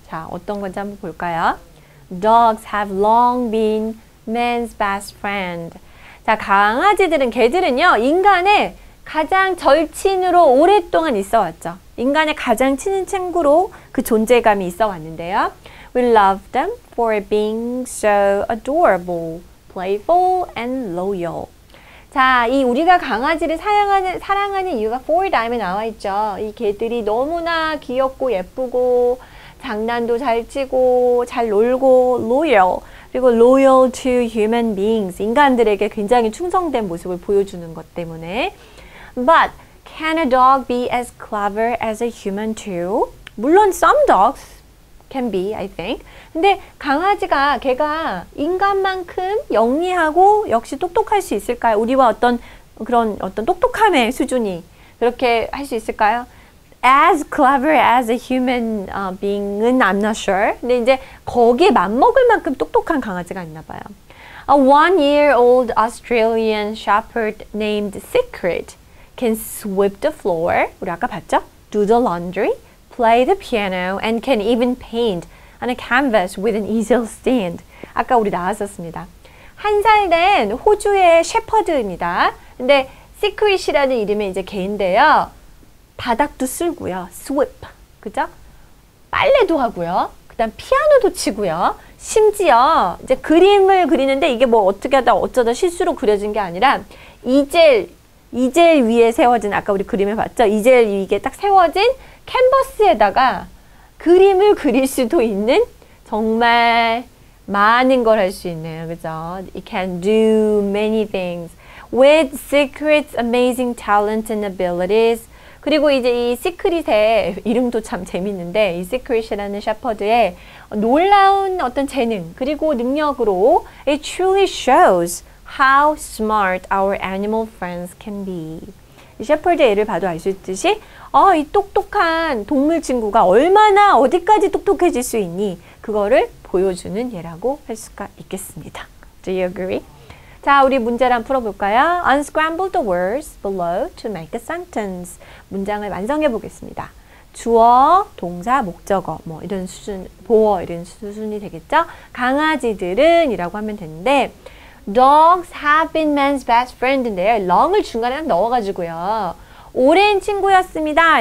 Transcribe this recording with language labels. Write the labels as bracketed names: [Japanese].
[Korean] 자, 어떤 건지 한번 볼까요? [English] Dogs have long been man's best friend. [Korean] 자, 강아지들은, 개들은요, 인간의 가장 절친으로 오랫동안 있어 왔죠. 인간의 가장 친한 친구로 그 존재감이 있어 왔는데요. [English] We love them for being so adorable, playful, and loyal. [Korean] 자, 이 우리가 강아지를 사랑하는 이유가 [English] four times [Korean] 에 나와 있죠. 이 개들이 너무나 귀엽고 예쁘고, 장난도 잘 치고, 잘 놀고, loyal. 그리고 [English] loyal to human beings, [Korean] 인간들에게 굉장히 충성된 모습을 보여주는 것 때문에. [English] But can a dog be as clever as a human too? [Korean] 물론 [English] some dogs can be, I think. [Korean] 근데 강아지가, 개가 인간만큼 영리하고 역시 똑똑할 수 있을까요? 우리와 어떤 그런 어떤 똑똑함의 수준이 그렇게 할 수 있을까요? [English] As clever as a human being은 I'm not sure. [Korean] 근데 이제 거기에 맞먹을 만큼 똑똑한 강아지가 있나 봐요. [English] A one-year-old Australian shepherd named Secret can sweep the floor, [Korean] 우리 아까 봤죠? [English] Do the laundry, play the piano, and can even paint on a canvas with an easel stand. [Korean] 아까 우리 나왔었습니다. 한 살 된 호주의 셰퍼드입니다. 근데 Secret이라는 이름의 이제 개인데요. 바닥도 쓸고요. sweep. 그죠? 빨래도 하고요. 그다음 피아노도 치고요. 심지어 이제 그림을 그리는데 이게 뭐 어떻게 하다 어쩌다 실수로 그려진 게 아니라 이젤 위에 세워진 아까 우리 그림을 봤죠? 이젤 위에 딱 세워진 캔버스에다가 그림을 그릴 수도 있는 정말 많은 걸 할 수 있네요. 그죠? [English] It can do many things with Secret's amazing talent and abilities. [Korean] 그리고 이제 이 시크릿의 이름도 참 재밌는데 이 시크릿이라는 셰퍼드의 놀라운 어떤 재능 그리고 능력으로 [English] It truly shows how smart our animal friends can be. [Korean] 이 셰퍼드의 예를 봐도 알 수 있듯이 이 똑똑한 동물 친구가 얼마나 어디까지 똑똑해질 수 있니? 그거를 보여주는 예라고 할 수가 있겠습니다. [English] Do you agree? [Korean] 자, 우리 문제를 한번 풀어볼까요? [English] Unscramble the words below to make a sentence. [Korean] 문장을 완성해 보겠습니다. 주어, 동사, 목적어, 뭐 이런 수준, 보어 이런 수준이 되겠죠? 강아지들은 이라고 하면 되는데 [English] Dogs have been man's best friend인데요. [Korean] long을 중간에 넣어가지고요. 오랜 친구였습니다.